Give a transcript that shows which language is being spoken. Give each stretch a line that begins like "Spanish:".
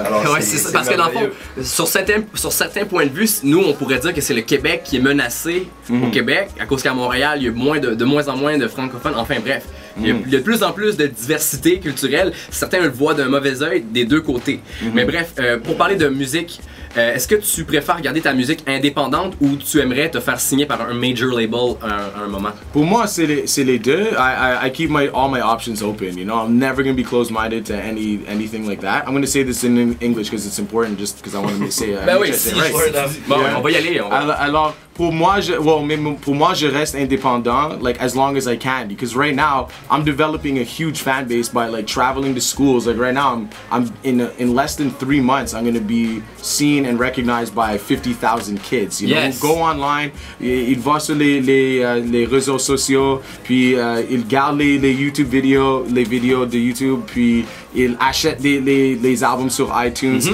French: Alors, c'est ça, parce que dans le fond, sur certains points de vue, nous, on pourrait dire que c'est le Québec qui est menacé au Québec, à cause qu'à Montréal, il y a de moins en moins de francophones, enfin bref. Il y a de plus en plus de diversité culturelle. Certains le voient d'un mauvais œil des deux côtés. Mais bref, pour parler de musique, est-ce que tu préfères garder ta musique indépendante ou tu aimerais te faire signer par un major label à un moment? Pour moi, c'est les deux.
English: I keep all my options open. You know, I'm never gonna be closed-minded to anything like that. I'm gonna say this in English because it's important, just because I want to say.
French: Ben oui, on va y aller. Alors. Pour moi, je reste indépendant,
English: like as long as I can, because right now I'm developing a huge fan base by like traveling to schools. Like right now, I'm in less than 3 months, I'm gonna be seen and recognized by 50,000 kids. You know, yes. Go online,
French: ils voient sur les réseaux sociaux, puis ils regardent les YouTube vidéos, les vidéos de YouTube, puis ils achètent les albums sur iTunes.